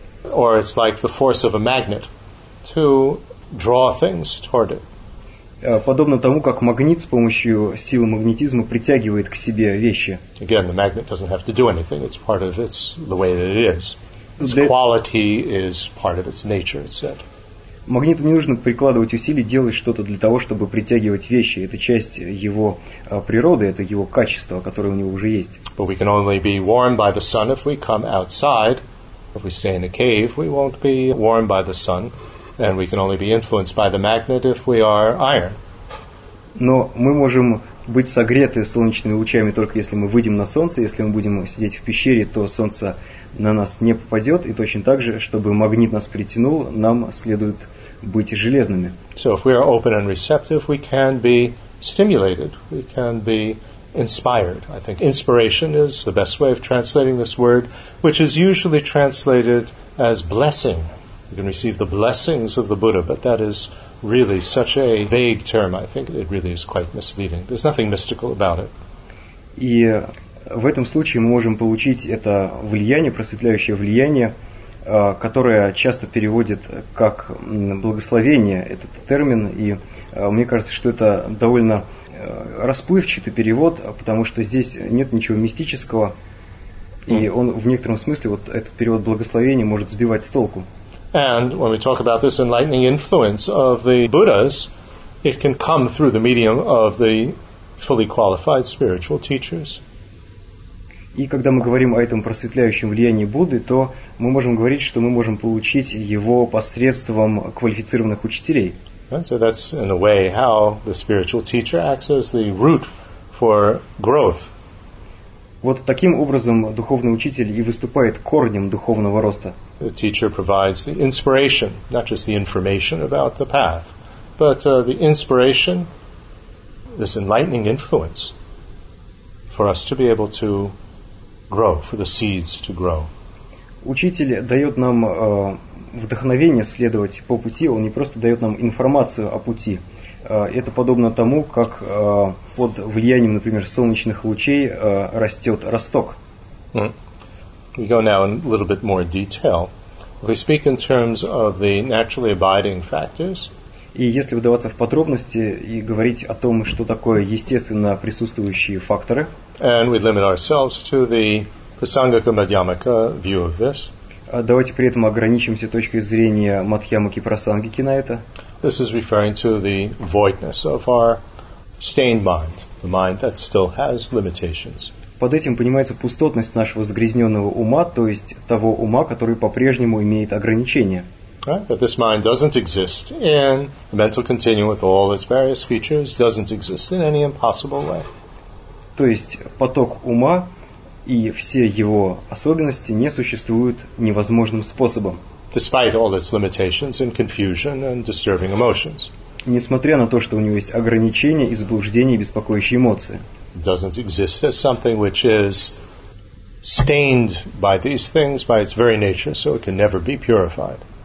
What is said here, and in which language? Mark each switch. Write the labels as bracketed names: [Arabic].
[English] Or it's like the force of a magnet to draw things toward it. [Russian] Подобно тому, как магнит с помощью силы магнетизма притягивает к себе вещи. [English] Again, the magnet doesn't have to do anything. It's part of its the way that it is. Its quality is part of its nature, it said. [Russian] Магниту не нужно прикладывать усилий, делать что-то для того, чтобы притягивать вещи. Это часть его природы, это его качество, которое у него уже есть. [English] But we can only be warmed by the sun if we come outside. If we stay in a cave, we won't be warmed by the sun. And we can only be influenced by the magnet if we are iron. [Russian] Но мы можем быть согреты солнечными лучами только если мы выйдем на солнце. Если мы будем сидеть в пещере, то солнце на нас не попадет. И точно так же, чтобы магнит нас притянул, нам следует быть железными. [English] So if we are open and receptive, we can be stimulated. We can be inspired. I think inspiration is the best way of translating this word, which is usually translated as blessing. You can receive the blessings of the Buddha, but that is really such a vague term. I think it really is quite misleading. There's nothing mystical about it. [Russian] И в этом случае мы можем получить это влияние, просветляющее влияние, которое часто переводят как благословение, этот термин. И мне кажется, что это довольно расплывчатый перевод, потому что здесь нет ничего мистического. И он в некотором смысле, вот этот перевод благословения может сбивать с толку. [English] And when we talk about this enlightening influence of the Buddhas, it can come through the medium of the fully qualified spiritual teachers. [Russian] И когда мы говорим о этом просветляющем влиянии Будды, то мы можем говорить, что мы можем получить его посредством квалифицированных учителей. [English] And so that's in a way how the spiritual teacher acts as the root for growth. [Russian] Вот таким образом духовный учитель и выступает корнем духовного роста. [English] The teacher provides the inspiration, not just the information about the path, but the inspiration, this enlightening influence, for us to be able to grow, for the seeds to grow. [Russian] Учитель дает нам вдохновение следовать по пути, он не просто дает нам информацию о пути. Это подобно тому, как под влиянием, например, солнечных лучей растет росток. [English] We go now in a little bit more detail. If we speak in terms of the naturally abiding factors. [Russian] И если вдаваться в подробности и говорить о том, что такое естественно присутствующие факторы. [English] And we limit ourselves to the Prasangika Madhyamaka view of this. [Russian] Давайте при этом ограничимся точкой зрения Мадхьямаки Прасангики на это. [English] This is referring to the voidness of our stained mind, the mind that still has limitations. [Russian] Под этим понимается пустотность нашего загрязненного ума, то есть того ума, который по-прежнему имеет ограничения. [English] Right? That this mind doesn't exist in the mental continuum with all its various features, doesn't exist in any impossible way. [Russian] То есть поток ума и все его особенности не существуют невозможным способом. [English] Despite all its limitations and confusion and disturbing emotions. [Russian] Несмотря на то, что у него есть ограничения и заблуждения и беспокоящие эмоции. [English] Doesn't exist as something which is stained by these things, by its very nature, so it can never be purified.